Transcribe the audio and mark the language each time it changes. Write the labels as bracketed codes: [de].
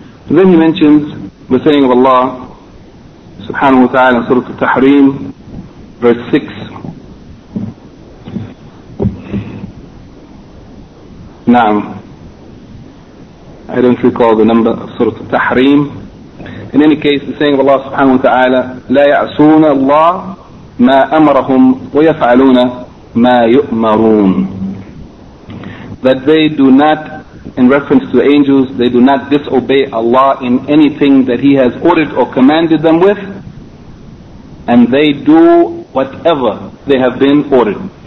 [en] Then he mentions the saying of Allah subhanahu wa ta'ala in Surah Al-Tahrim, verse 6. Naam. I don't recall the number of Surah Al-Tahrim. In any case, the saying of Allah subhanahu wa ta'ala, [ar] لا يعصون الله ما أمرهم ويفعلون ما يؤمرون. [en] That they do not, in reference to angels, they do not disobey Allah in anything that He has ordered or commanded them with, and they do whatever they have been ordered.